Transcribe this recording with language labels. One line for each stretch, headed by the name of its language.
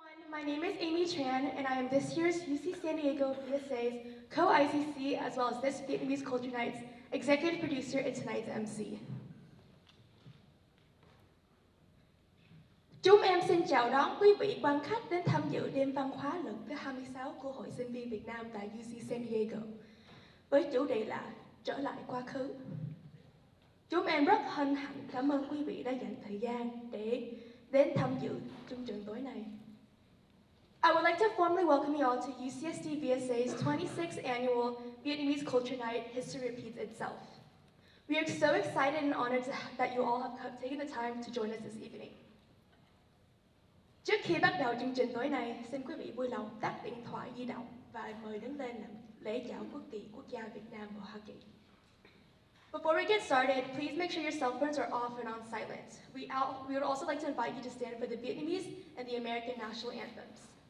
English: My name is Amy Tran, and I am this year's UC San Diego BSA's co-ICC, as well as this Vietnamese Culture Night's executive producer and tonight's MC.
Vietnamese: Chúng em xin chào đón quý vị quan khách đến tham dự đêm văn hóa lần thứ 26 của Hội sinh viên Việt Nam tại UC San Diego, với chủ đề là Trở lại quá khứ. Chúng em rất hân hạnh cảm ơn quý vị đã dành thời gian để đến tham dự chương trình tối nay.
English: I would like to formally welcome you all to UCSD VSA's 26th annual Vietnamese Culture Night, History Repeats Itself. We are so excited and honored that you all have taken the time to join us this evening.
Vietnamese: Trước khi bắt đầu chương trình tối nay, xin quý vị vui lòng tắt điện thoại di động và mời đứng lên làm lễ chào quốc kỳ quốc gia Việt Nam và Hoa Kỳ.
English: Before we get started, please make sure your cell phones are off and on silent. We would also like to invite you to stand for the Vietnamese and the American national anthems.